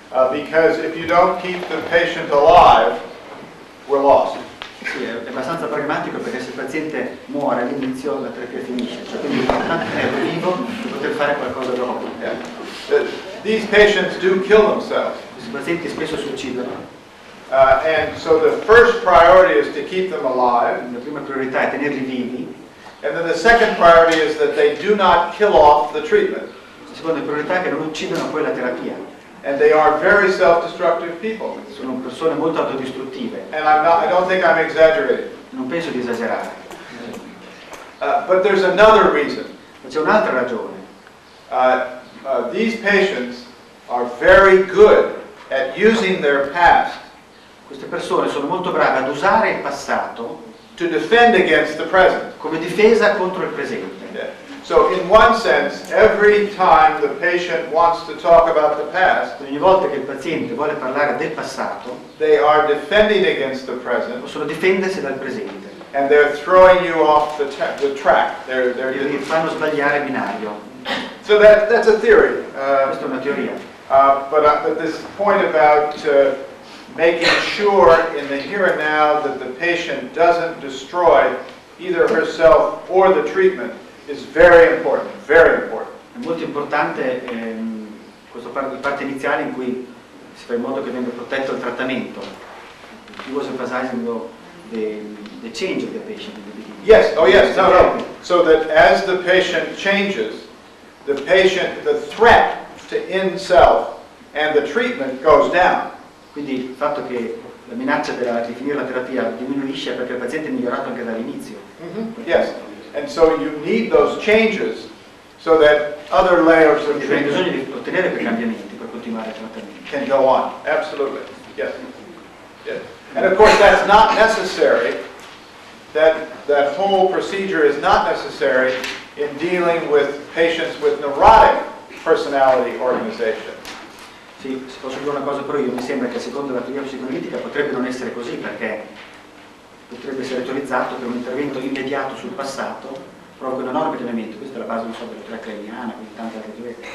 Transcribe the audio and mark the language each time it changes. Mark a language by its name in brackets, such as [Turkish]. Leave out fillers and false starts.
[English] Because if you don't keep the patient alive, we're lost. [Italian] Sì, è abbastanza pragmatico perché se il paziente muore all'inizio la terapia finisce, cioè quindi è vivo, poter fare qualcosa dopo. [English] Yeah. These patients do kill themselves. [Italian] Questi pazienti spesso si uccidono. [English] And so the first priority is to keep them alive. [Italian] La prima priorità è tenerli vivi. [English] And then the second priority is that they do not kill off the treatment. [Italian] La seconda priorità è che non uccidano poi la terapia. [English] And they are very self-destructive people. [Italian] Sono persone molto autodistruttive. [English] And I don't think I'm exaggerating. [Italian] Non penso di esagerare. [English] But there's another reason. [Italian] Ma c'è un'altra ragione. [English] These patients are very good at using their past. [Italian] Queste persone sono molto brave ad usare il passato [English] to defend against the present. [Italian] Come difesa contro il presente. [English] So in one sense, every time the patient wants to talk about the past, [Italian] ogni volta che il paziente vuole parlare del passato, [English] they are defending against the present. [Italian] Possono difendersi dal presente. [English] And they're throwing you off the track. [Italian] Gli fanno sbagliare binario. [English] So that's a theory. [Italian] Questa è una teoria. [English] But this point about making sure in the here and now that the patient doesn't destroy either herself or the treatment. Is very important, very important. [Italian] È molto importante questa parte iniziale in cui si fa in modo che venga protetto il trattamento. [English] He was emphasizing the change of the patient. Yes, oh yes, no. So that as the patient changes, the threat to in self and the treatment goes down. [Italian] Quindi il fatto che la minaccia della finire la terapia diminuisce perché il paziente è migliorato anche dall'inizio. [English] Mm-hmm. Yes. And so you need those changes so that other layers of treatment can go on. Absolutely. Yes. Yes. And of course that's not necessary. That whole procedure is not necessary in dealing with patients with neurotic personality organization. [Italian] Sì, se posso dire una cosa, però io mi sembra che secondo la teoria psicoanalitica potrebbe non essere così perché potrebbe essere teorizzato che un intervento immediato sul passato provoca un enorme cambiamento. Questa è la base, non so, della Clarkiniana, quindi tante altre teorie.